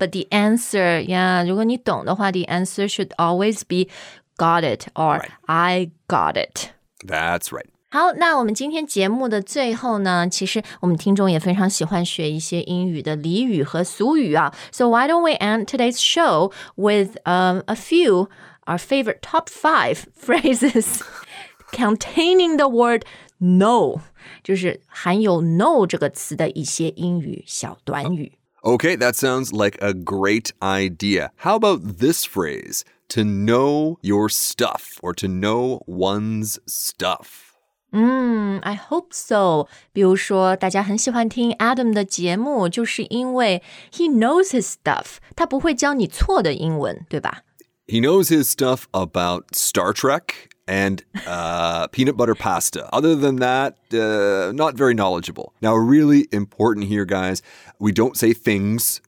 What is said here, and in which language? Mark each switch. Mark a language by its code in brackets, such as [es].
[en] But the answer, yeah, [zh] 如果你懂的话 [en] the answer should always be got it or right. I got it. That's right. [zh] 好，那我们今天节目的最后呢，其实我们听众也非常喜欢学一些英语的俚语和俗语啊。 [en] So why don't we end today's show with a few our favorite top five phrases containing the word no, [zh] 就是含有 no 这个词的一些英语小短语。 [en] Okay, that sounds like a great idea. How about this phrase, to know your stuff or to know one's stuff? I hope so. [zh] 比如说大家很喜欢听 Adam 的节目就是因为 [en] he knows his stuff. [zh] 他不会教你错的英文对吧 [en] He knows his stuff about Star Trek and peanut butter pasta. Other than that, not very knowledgeable. Now, really important here, guys, we don't say things.